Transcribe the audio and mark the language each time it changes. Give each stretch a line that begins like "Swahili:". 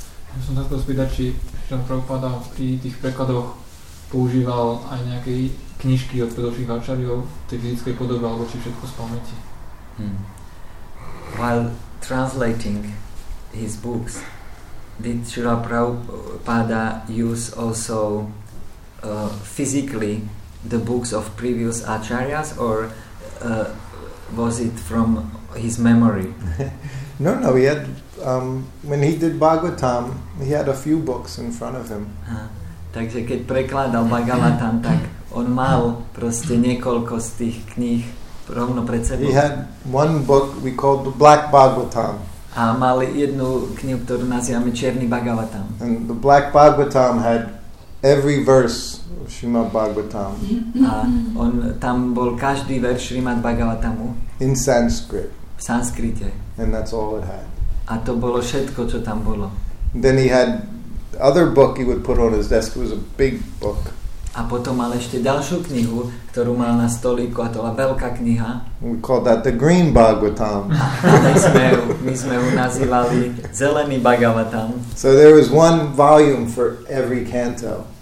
Slovak: Ja som takto spýtať, či Šrila Prabhupada pri tých prekladoch používal aj nejaké knižky od predovších Ačariov v tej fyzickej podobe, alebo či všetko z pamäti.
English: While translating his books, did Srila Prabhupada use also physically the books of previous acharyas, or was it from his memory? No, he had, when he did Bhagavatam, he had a few books in front of him.
Slovak: Takže keď prekladal Bhagavatam, tak on mal proste niekoľko z tých kníh rovno pred sebou.
English: He had one book we called the Black Bhagavatam.
Slovak: A mal jednu knihu, ktorú nazývame Černý Bhagavatam.
English: And the Black Bhagavatam had every verse of Srimad Bhagavatam.
Slovak: A on tam bol každý verš Srimad Bhagavatamu.
English: In Sanskrit.
Slovak: V sanskrite.
English: And that's all it had.
Slovak: A to bolo všetko, čo tam bolo.
English: Then he had other book he would put on his desk. It was a big book.
Slovak: A potom mal ešte ďalšiu knihu, ktorú mal na stolíku, a to bola veľká kniha.
English: We called that the Green Bhagavatam.
Slovak: My sme ho nazývali Zelený Bhagavatam.
English: So there was one volume for every canto.